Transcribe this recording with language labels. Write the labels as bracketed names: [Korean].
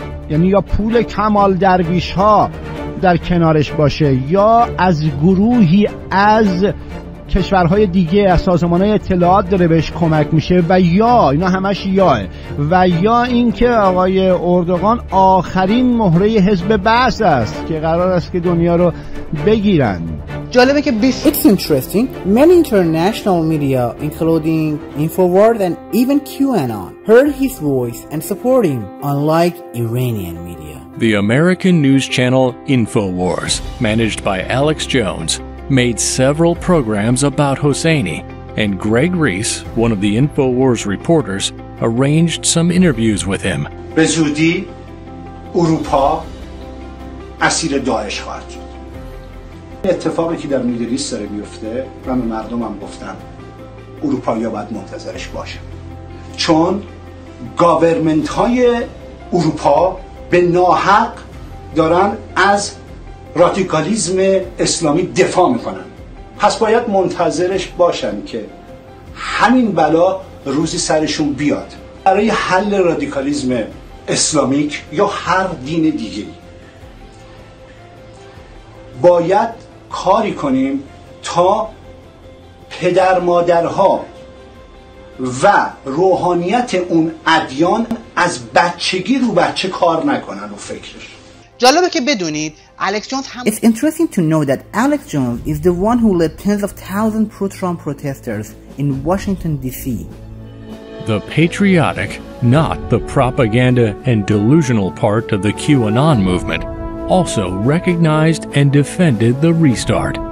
[Persian] یعنی یا پول کمال درویش ها در کنارش باشه یا از گروهی از کشورهای دیگه از سازمان های اطلاعات داره بهش کمک میشه، و یا اینا همش یاه، و یا اینکه آقای اردوغان آخرین مهره حزب بعث است که قرار است که دنیا رو بگیرن. جالبه که [English] It's interesting. Many international media, including InfoWord and even QAnon, heard his voice and support him, unlike Iranian media. The American news channel InfoWars, managed by Alex Jones, made several programs about Hosseini, and Greg Reese, one of the InfoWars reporters, arranged some interviews with him. [Persian] به زودی اروپا اسیر داعش خواهد شد. اتفاقی که در میدلیست داره میفته، من به مردم هم گفتم اروپایی ها باید منتظرش باشه، چون گاورمنت های اروپا به ناحق دارن از رادیکالیزم اسلامی دفاع میکنن. پس باید منتظرش باشن که همین بلا روزی سرشون بیاد. برای حل رادیکالیزم اسلامیک یا هر دین دیگه باید کاری کنیم تا پدر مادرها و روحانیت اون ادیان از بچگی رو بچه کار نکنن و فکرش. جالبه که بدونید Alex Jones [English] It's interesting to know that Alex Jones is the one who led tens of thousands pro-Trump protesters in Washington, D.C. The patriotic, not the propaganda and delusional part of the QAnon movement, also recognized and defended the restart.